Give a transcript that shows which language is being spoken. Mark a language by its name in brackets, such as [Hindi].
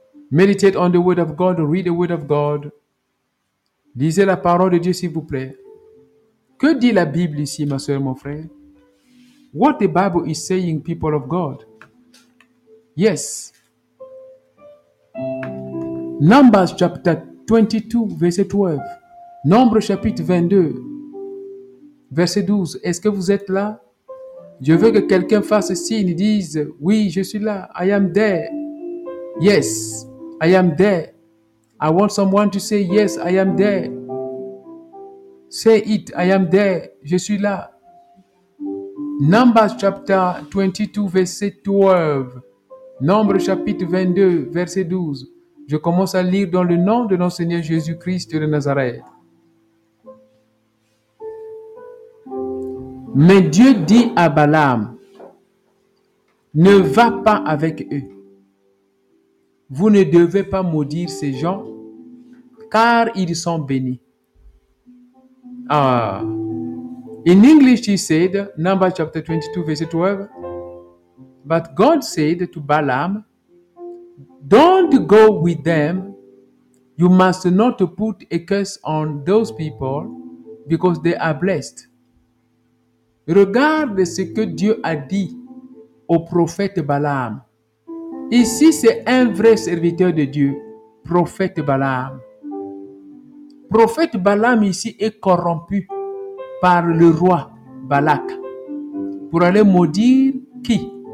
[English] Meditate on the word of God, read the word of God. [French] Lisez la parole de Dieu, s'il vous plaît. Que dit la Bible ici, ma soeur, mon frère? [English] What the Bible is saying, people of God? Yes. Numbers chapter 22, [French] verset 12. Nombre chapitre 22, verset 12. Est-ce que vous êtes là? Je veux que quelqu'un fasse signe, dise, oui, je suis là. [English] I am there. Yes, I am there. I want someone to say, yes, I am there. Say it, I am there. [French] Je suis là. [English] Numbers chapter 22, verset 12. [French] Nombre chapitre 22, verset 12. Je commence à lire dans le nom de notre Seigneur Jésus-Christ de Nazareth. Mais Dieu dit à Balaam, ne va pas avec eux. Vous ne devez pas maudire ces gens, car ils sont bénis. [English] In English he said, Numbers chapter 22, verse 12, but God said to Balaam, don't go with them. You must not put a curse on those people because they are blessed. [French] Regarde ce que Dieu a dit au prophète Balaam. Ici, c'est un vrai serviteur de Dieu, prophète Balaam. Prophète Balaam ici est corrompu par le roi Balak pour aller maudire qui?